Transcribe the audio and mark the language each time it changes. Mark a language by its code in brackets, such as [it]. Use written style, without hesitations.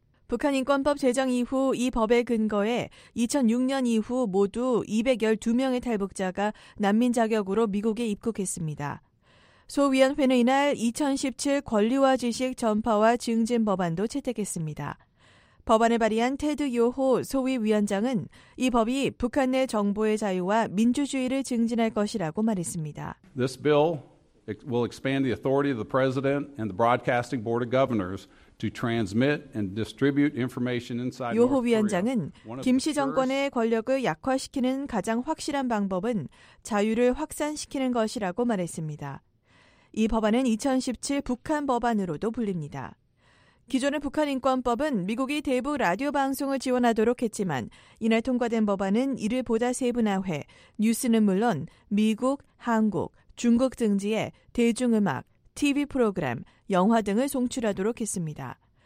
[ko] 북한 인권법 제정 이후 이 법에 근거해 2006년 이후 모두 212명의 탈북자가 난민 자격으로 미국에 입국했습니다. 소위원회는 이날 2017 권리와 지식 전파와 증진 법안도 채택했습니다. 법안을 발의한 테드 요호 소위 위원장은 이 법이 북한 내 정보의 자유와 민주주의를 증진할 것이라고 말했습니다. [en] This bill will expand the authority of the president and the broadcasting board of governors to transmit and distribute information inside North Korea. [ko] 요호 위원장은 김 씨 정권의 권력을 약화시키는 가장 확실한 방법은 자유를 확산시키는 것이라고 말했습니다. 이 법안은 2017 북한 법안으로도 불립니다. 기존의 북한 인권법은 미국이 대부 라디오 방송을 지원하도록 했지만 이날 통과된 법안은 이를 보다 세분화해 뉴스는 물론 미국, 한국, 중국 등지에 대중음악, TV 프로그램, 영화 등을 송출하도록 했습니다.